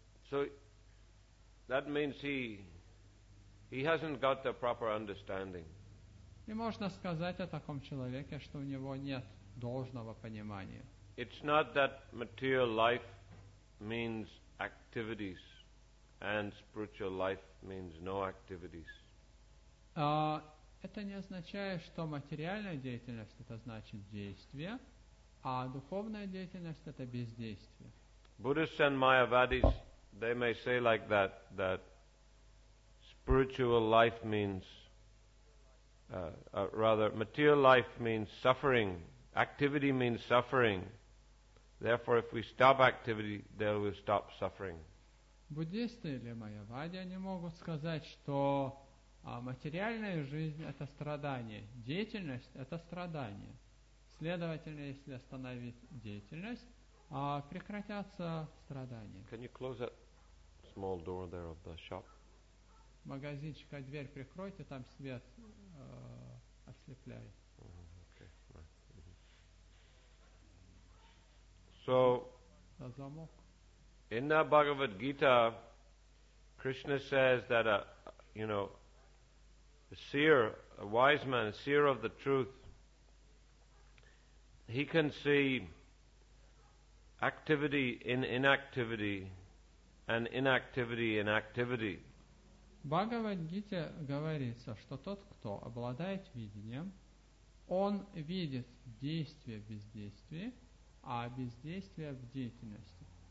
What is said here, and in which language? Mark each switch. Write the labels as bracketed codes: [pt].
[en] So that means he hasn't got the proper understanding. [ru] И можно сказать о таком человеке, что у него нет должного понимания. [en] It's not that material life means activities, and spiritual life means no activities. [ru] Это не означает, что материальная деятельность это значит действие, а духовная деятельность это бездействие. [en] Buddhists and Mayavadis, they may say like that, that spiritual life means, rather, material life means suffering, activity means suffering. Therefore, if we stop activity, they will stop suffering. [ru] Буддисты или Майявади, они могут сказать, что материальная жизнь – это страдание. Деятельность – это страдание. Следовательно, если остановить деятельность, прекратятся страдания. [en] Can you close that small door there of the shop? [ru] Магазинчик, а дверь прикройте, там свет ослепляет. [en] So, in the Bhagavad Gita, Krishna says that a seer, a wise man, a seer of the truth, he can see activity in inactivity and inactivity in activity. [ru] Bhagavad Gita говорится, что тот, кто обладает видением, он видит действие в бездействии, а бездействие в деятельности.